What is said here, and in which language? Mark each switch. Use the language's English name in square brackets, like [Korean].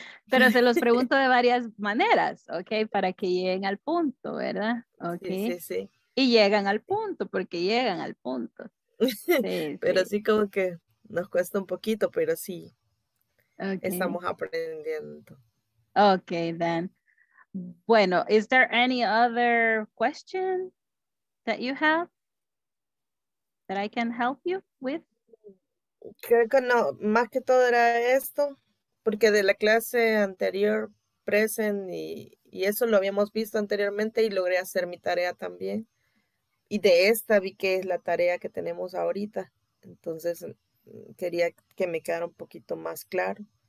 [Spanish] Pero se los pregunto de varias maneras, ¿ok? Para que lleguen al punto, ¿verdad? Okay. Sí, sí, sí. Y llegan al punto, porque llegan al punto. Sí, pero sí, así como que nos cuesta un poquito, pero sí, okay, estamos aprendiendo. [English] Ok, then. Bueno, is there any other question that you have that I can help you with? [Spanish] Creo que no, más que todo era esto, porque de la clase anterior, present, y eso lo habíamos visto anteriormente y logré hacer mi tarea también. Y de esta vi que es la tarea que tenemos ahorita. Entonces, quería que me quedara un poquito más claro.